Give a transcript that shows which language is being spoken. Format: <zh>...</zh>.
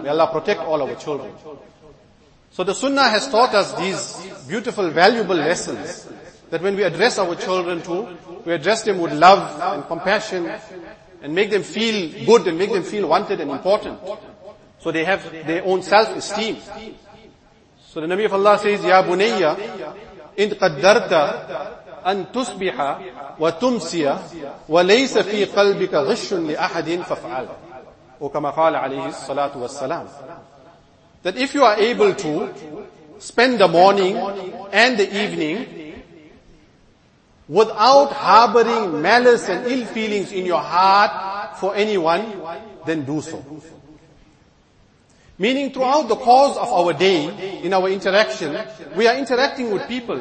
<en>May Allah protect all our children. So the Sunnah has taught us these beautiful, valuable lessons that when we address our children to, we address them with love and compassion and make them feel good and make them feel wanted and important. So they have their own self-esteem. So the Nabi of Allah says,</en> <ar>Ya Bunayya, إن قدرت أن تصبح وتمسي وليس في قلبك غش لأحد ففعل وكما قال عليه الصلاة والسلام.</ar> <en>That if you are able to spend the morning and the evening without harboring malice and ill feelings in your heart for anyone, then do so. Meaning throughout the course of our day, in our interaction, we are interacting with people.</en>